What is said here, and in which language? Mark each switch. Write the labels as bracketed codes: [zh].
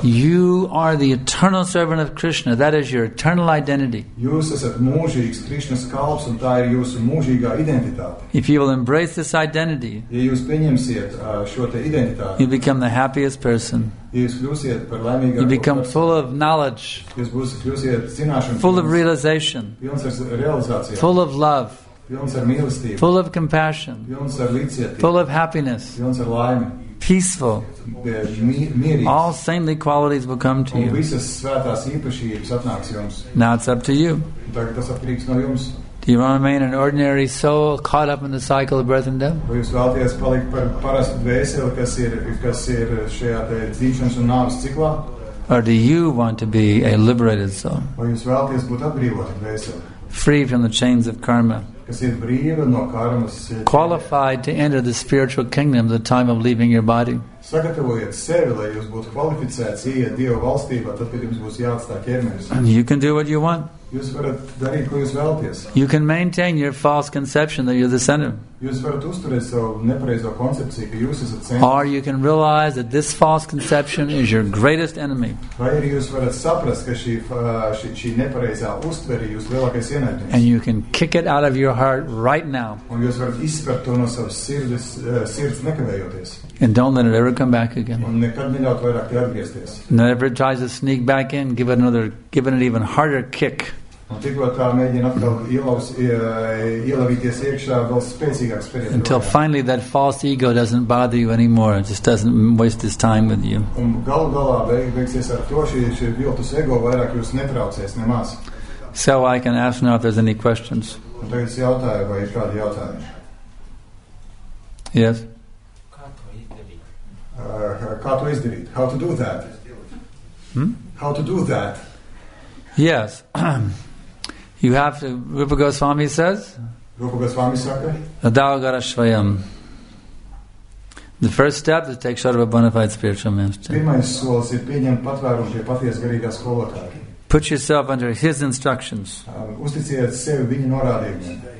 [en] You are the eternal servant of Krishna. That is your eternal identity. [lv] Jūs esat mūžīgs Krišnas kalps, un tā ir jūsu mūžīgā identitāte. [en] If you will embrace this identity, [lv] ja jūs pieņemsiet šo te identitāti, [en] you become the happiest person. [lv] Jūs kļūsiet par laimīgāko. [en] You become full of knowledge. [lv] Jūs būsiet kļūsiet zināšanu. [en] Full of realization. [lv] Pilns ar realizāciju. [en] Full of love. [lv] Pilns ar mīlestību. [en] Full of compassion. [lv] Pilns ar līdzjūtību. [en] Full of happiness. [lv] Pilns ar laimi. [en] Peaceful. [lv] Mierīgs. [en] All saintly qualities will come to you. [lv] Un visas svētās īpašības atnāks jums. [en] Now it's up to you. [lv] Tagad tas atkarīgs no jums. [en] Do you want to remain an ordinary soul caught up in the cycle of birth and death? [lv] Vai jūs vēlaties palikt par parastu dvēseli, kas ir šajā te dzimšanas un nāves ciklā? [en] Or do you want to be a liberated soul? [lv] Vai jūs vēlaties būt atbrīvota dvēsele? [en] Free from the chains of karma. [lv] Kas ir brīva no karmas. [en] Qualified to enter the spiritual kingdom the time of leaving your body. [lv] Sagatavojiet sevi, lai jūs būtu kvalificēts ieiet Dieva valstībā, tad, kad jums būs jāatstāt ķermenis. [en] You can do what you want. [lv] Jūs varat darīt, ko jūs vēlaties. [en] You can maintain your false conception that you're the center. [lv] Jūs varat uzturēt savu nepareizo koncepciju, ka jūs esat centrs. [en] Or you can realize that this false conception is your greatest enemy. [lv] Vai arī jūs varat saprast, ka šī nepareizā uztvere ir jūsu lielākais ienaidnieks. [en] And you can kick it out of your heart right now. [lv] Un jūs varat izspert to no savas sirds nekavējoties. [en] And don't let it ever come back again. [lv] Un nekad neļaut vairāk te atgriezties. [en] Never tries to sneak back in, give it an even harder kick. [lv] Un tikko tā mēģina atkal ielavīties iekšā vēl spēcīgāk spēlēt. [en] Until finally that false ego doesn't bother you anymore, it just doesn't waste its time with you. [lv] Un galā beigsies ar to, šī viltus ego vairāk jūs netraucēs nemaz. [en] So I can ask now if there's any questions. [lv] Un tagad es jautāju, vai ir kādi jautājumi? [en] Yes. [lv] Kā to izdarīt? [en] How to do that? How to do that? Yes. You have to, Rupa Goswami says? [lv] Rupa Goswami saka? [sa] Adaugara Shvayam. [en] The first step is to take short of a bona fide spiritual master. [lv] Pirmais solis ir pieņemt patvērumu pie paties garīgās skolotāji. [en] Put yourself under his instructions. [lv] Uzticiet sevi viņa norādījumiem.